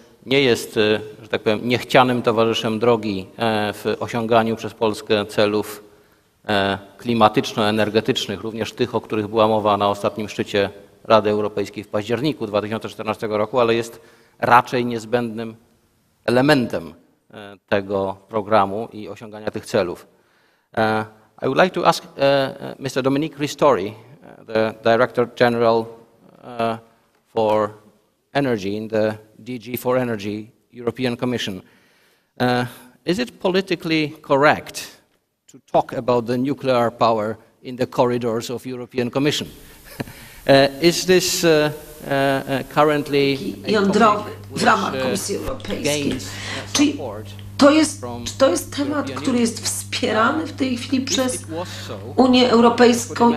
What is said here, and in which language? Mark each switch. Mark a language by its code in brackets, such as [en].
[pl] nie jest, że tak powiem, niechcianym towarzyszem drogi w osiąganiu przez Polskę celów klimatyczno-energetycznych, również tych, o których była mowa na ostatnim szczycie Rady Europejskiej w październiku 2014 roku, ale jest raczej niezbędnym elementem tego programu i osiągania tych celów. [en] I would like to ask Mr. Dominique Ristori, the Director General for Energy in the DG for Energy European Commission. Is it politically correct to talk about the nuclear power in the corridors of European Commission? Is this currently [pl] jądrowy w ramach Komisji Europejskiej? Czy to jest temat, który jest wspierany w tej chwili przez Unię Europejską?